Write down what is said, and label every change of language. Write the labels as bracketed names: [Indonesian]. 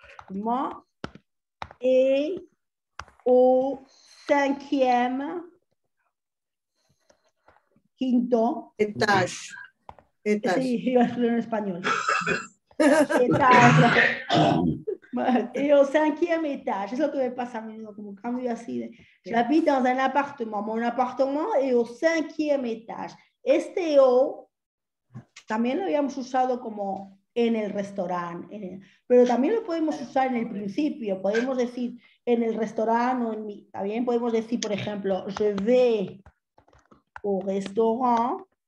[French] Moi et au cinquième [Spanish] quinto [French] étage. Étage. [Spanish] Sí, iba a hablar en español. Étage. [French] Et au cinquième étage. [Spanish] Es lo que me pasa a mí, como cambio así. De... Sí. [French] J'habite dans un appartement. Mon appartement est au cinquième étage. [Spanish] Este o también lo habíamos usado como en el restaurante, pero también lo podemos usar en el principio. Podemos decir en el restaurante o en mi. También podemos decir, por ejemplo, [French] je vais au restaurant.